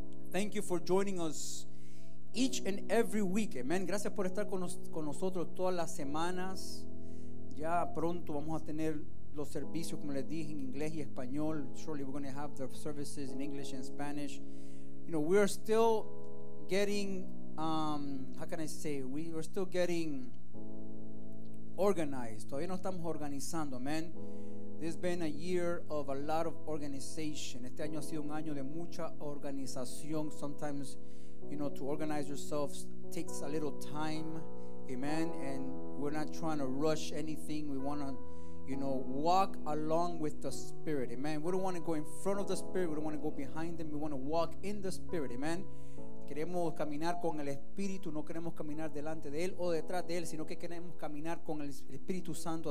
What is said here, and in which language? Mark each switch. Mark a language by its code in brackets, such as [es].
[en] Thank you for joining us each and every week. Amen. [es] Gracias por estar con nosotros todas las semanas. Ya pronto vamos a tener los servicios, como les dije, en inglés y español. [en] Surely we're going to have the services in English and Spanish. You know, we are still getting how can I say, we are still getting organized. [es] Todavía no estamos organizando, [en] man. This has been a year of a lot of organization. [es] Este año ha sido un año de mucha organización. [en] Sometimes, you know, to organize yourself takes a little time. Amen. And we're not trying to rush anything. We want to, you know, walk along with the Spirit. Amen. We don't want to go in front of the Spirit. We don't want to go behind them. We want to walk in the Spirit. [es] Amen. Queremos caminar con el Espíritu. No queremos caminar delante de Él o detrás de Él, sino que queremos caminar con el Espíritu Santo.